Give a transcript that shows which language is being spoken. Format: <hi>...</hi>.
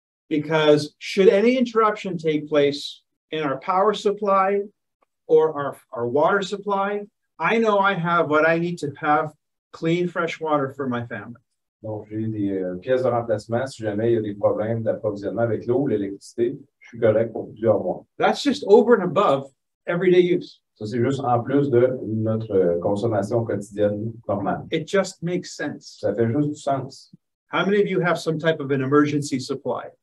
<en>Because should any interruption take place in our power supply or our water supply, I know I have what I need to have clean, fresh water for my family.</en> <fr>Donc, j'ai des pièces de remplacement si jamais il y a des problèmes d'approvisionnement avec l'eau ou l'électricité. Je suis correct pour plusieurs mois.</fr> <en>That's just over and above everyday use.</en> <fr>Ça, c'est juste en plus de notre consommation quotidienne normale.</fr> <en>It just makes sense.</en> <fr>Ça fait juste du sens.</fr> <en>How many of you have some type of an emergency supply?</en>